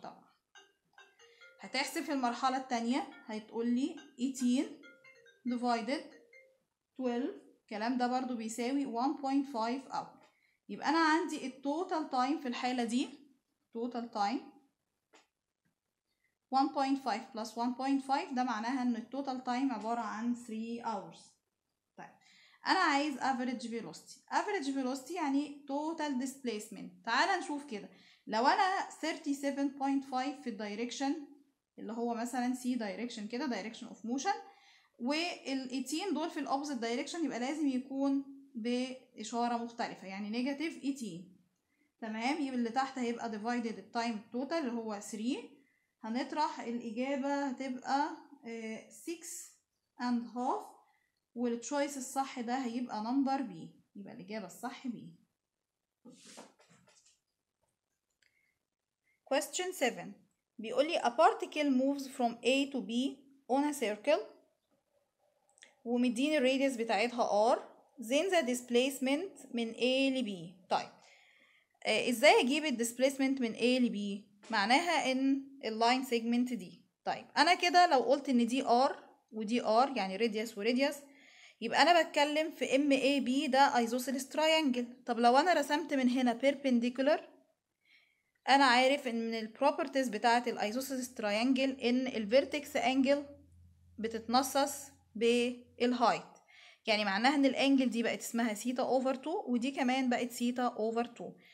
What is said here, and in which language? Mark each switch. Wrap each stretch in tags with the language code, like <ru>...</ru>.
<ar>طبعا هتحسب في المرحلة التانية هيتقول لي</ar> <en>18 divided 12،</en> <ar>كلام ده برضو بيساوي 1.5 hour. يبقى أنا عندي total time في الحالة دي،</ar> <en>total time 1.5 plus 1.5</en> <ar>ده معناها ان total time عبارة عن 3 hours. طيب أنا عايز average velocity. average velocity يعني total displacement. تعال نشوف كده، لو أنا 37.5 في direction اللي هو مثلا C direction كده direction of motion، وال 18 دول في opposite direction، يبقى لازم يكون بإشارة مختلفة يعني negative 18. تمام، يبقى اللي تحت هيبقى divided time total اللي هو 3. هنطرح الإجابة هتبقى 6 and half، والchoice الصح ده هيبقى number B، يبقى الإجابة الصح B.</ar> <en>question 7</en> <ar>بيقول لي</ar> <en>a particle moves from A to B on a circle</en> <ar>ومديني radius بتاعتها R</ar> <en>then the displacement من A ل B.</en> <ar>طيب ازاي اجيب الديسبليسمنت من A ل B؟ معناها ان اللاين سيجمنت دي. طيب انا كده لو قلت ان دي ار ودي ار يعني radius وradius يبقى انا بتكلم في ام اي بي ده isosceles triangle. طب لو انا رسمت من هنا perpendicular انا عارف ان من البروبرتيز بتاعه الايزوسيلس تريانجل ان الفيرتكس انجل بتتنصص بالهايت، يعني معناها ان الانجل دي بقت اسمها ثيتا اوفر 2 ودي كمان بقت ثيتا اوفر 2.</ar>